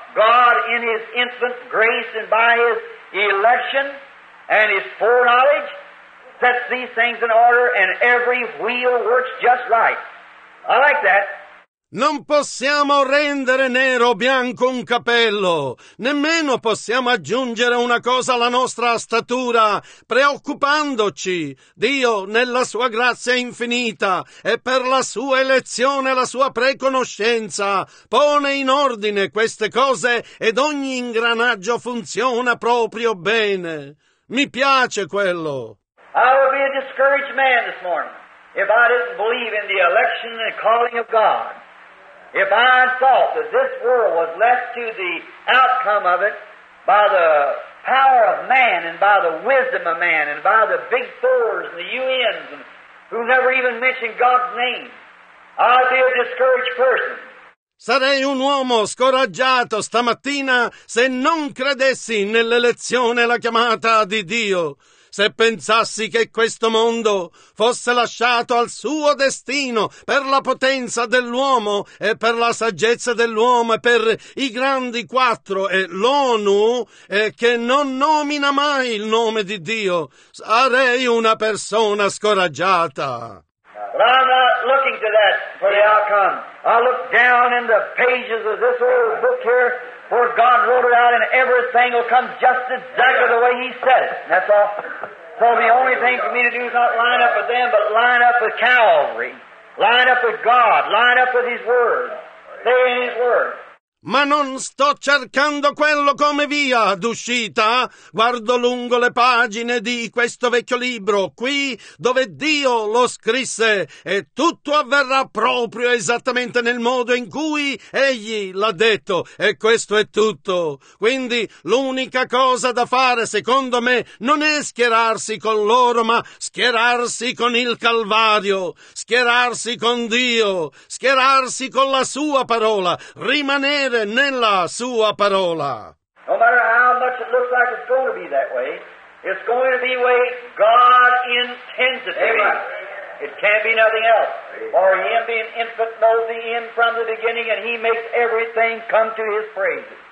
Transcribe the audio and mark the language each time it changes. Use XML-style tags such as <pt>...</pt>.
<en>God in His infant grace and by His election and His foreknowledge sets these things in order and every wheel works just right. I like that.</en> <it>Non possiamo rendere nero o bianco un capello, nemmeno possiamo aggiungere una cosa alla nostra statura, preoccupandoci. Dio, nella sua grazia infinita e per la sua elezione e la sua preconoscenza, pone in ordine queste cose ed ogni ingranaggio funziona proprio bene. Mi piace quello.</it> <en>I would be a discouraged man this morning if I didn't believe in the election and calling of God. If I thought that this world was left to the outcome of it by the power of man and by the wisdom of man and by the big fours and the UNs and who never even mentioned God's name, I'd be a discouraged person.</en> <it>Sarei un uomo scoraggiato stamattina se non credessi nell'elezione e la chiamata di Dio. Se pensassi che questo mondo fosse lasciato al suo destino per la potenza dell'uomo e per la saggezza dell'uomo e per i grandi quattro e l'ONU che non nomina mai il nome di Dio, sarei una persona scoraggiata.</it> <en>But I'm not looking to that for the outcome. I look down in the pages of this old book here where God wrote it out and everything will come just exactly the way He said it. That's all. So the only thing for me to do is not line up with them, but line up with Calvary. Line up with God. Line up with His Word. Stay in His Word.</en> <it>Ma non sto cercando quello come via d'uscita. Guardo lungo le pagine di questo vecchio libro, qui dove Dio lo scrisse, e tutto avverrà proprio esattamente nel modo in cui Egli l'ha detto, e questo è tutto. Quindi l'unica cosa da fare, secondo me, non è schierarsi con loro, ma schierarsi con il Calvario, schierarsi con Dio, schierarsi con la Sua parola, rimanere nella sua parola.</it> <en>No matter how much it looks like it's going to be that way, it's going to be the way God intends it to be. It can't be nothing else. For Him being infant knows the end from the beginning and He makes everything come to His praise.</en>